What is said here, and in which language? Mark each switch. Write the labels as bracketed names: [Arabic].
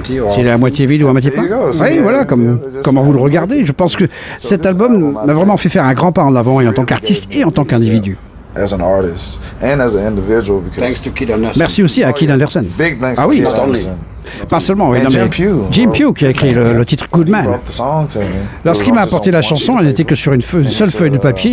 [French] S'il est à moitié vide ou à moitié plein. Oui, voilà, comment vous le regardez. Je pense que cet album m'a vraiment fait faire un grand pas en avant, et en tant qu'artiste et en tant qu'individu. [English] As an artist and as an individual, because thanks to Keith Anderson. [French] Merci aussi à Keith Anderson. [English] Big thanks to Keith Anderson. [French] Pas seulement, oui, non, mais Jim Pugh qui a écrit le titre Good Man. Lorsqu'il m'a apporté la chanson, elle n'était que sur une seule feuille de papier.